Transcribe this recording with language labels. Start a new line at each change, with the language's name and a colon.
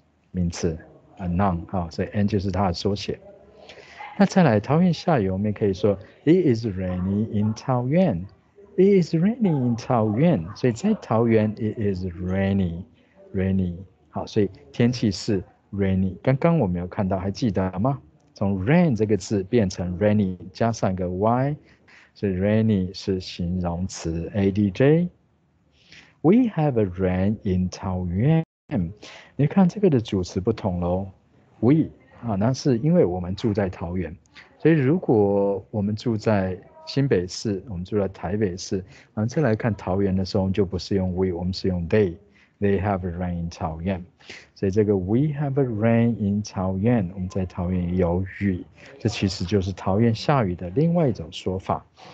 Chinese: 名词，a noun，好，所以 n 就是它的缩写。那再来，桃园下雨，我们也可以说
English: it is rainy in 桃园，
Chinese: it is rainy in 桃园，所以在桃园 it is rainy，好，所以天气是 rainy。刚刚我没有看到，还记得吗？从 rain 这个字变成 rainy，加上个 y，所以 rainy 是形容词 adj。
English: We have a rain in 桃园。
Chinese: 你看这个的主词不同喽，we 啊，那是因为我们住在桃园，所以如果我们住在新北市，我们住在台北市，然后再来看桃园的时候，我们就不是用 we，我们是用 they。
English: They have a rain in 桃园，
Chinese: 所以这个
English: We have a rain in 桃园，
Chinese: 我们在桃园有雨，这其实就是桃园下雨的另外一种说法。